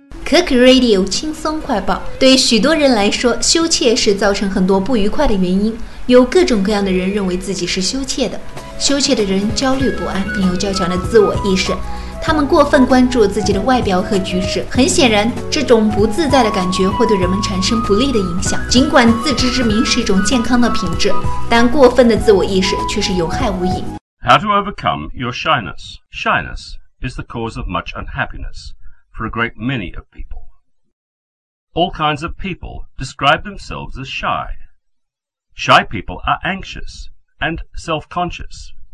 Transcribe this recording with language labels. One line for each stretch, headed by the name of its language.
Chinese: Cook Radio 轻松快报。对许多人来说，羞怯是造成很多不愉快的原因。有各种各样的人认为自己是羞怯的。羞怯的人焦虑不安，并有较强的自我意识。他们过分关注自己的外表和举止。很显然，这种不自在的感觉会对人们产生不利的影响。尽管自知之明是一种健康的品质，但过分的自我意识却是有害无益。
English: How to overcome your shyness? Shyness is the cause of much unhappiness. For a great many of people. All kinds of people describe themselves as shy. Shy people are anxious and self-conscious.